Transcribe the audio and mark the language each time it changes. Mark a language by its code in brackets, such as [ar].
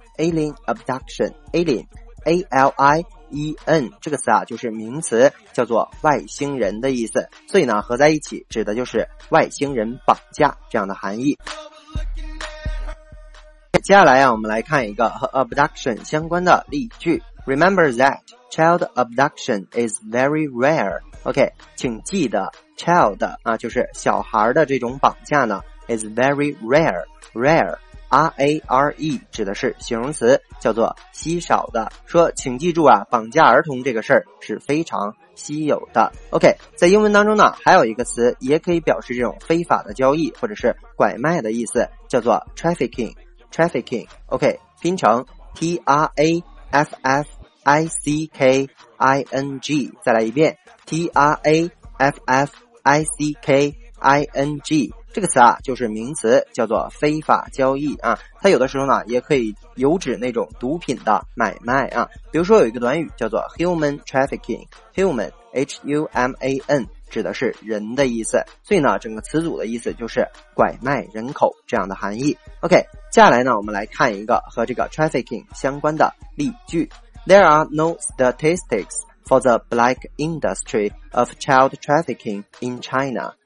[zh] Alien Abduction， Alien A-L-I-E-N 这个词啊就是名词，叫做外星人的意思，所以呢合在一起指的就是外星人绑架这样的含义。接下来啊，我们来看一个和 abduction 相关的例句。 [en] Remember that child abduction is very rare. [zh] OK， 请记得 child 啊就是小孩的这种绑架呢 [en] is very rare. [zh] Rare R-A-R-E 指的是形容词，叫做稀少的。说请记住啊，绑架儿童这个事儿是非常稀有的。 OK， 在英文当中呢还有一个词也可以表示这种非法的交易或者是拐卖的意思，叫做 trafficking。 Trafficking， OK， 拼成 T-R-A-F-F-I-C-K-I-N-G， 再来一遍 T-R-A-F-F-I-C-K-I-N-G， 这个词啊就是名词，叫做非法交易啊。它有的时候呢也可以有指那种毒品的买卖啊，比如说有一个短语叫做 human trafficking， human H-U-M-A-N 指的是人的意思，所以呢整个词组的意思就是拐卖人口这样的含义。 OK，接下来呢我们来看一个和这个 trafficking 相关的例句。 [en] There are no statistics for the black industry of child trafficking in China.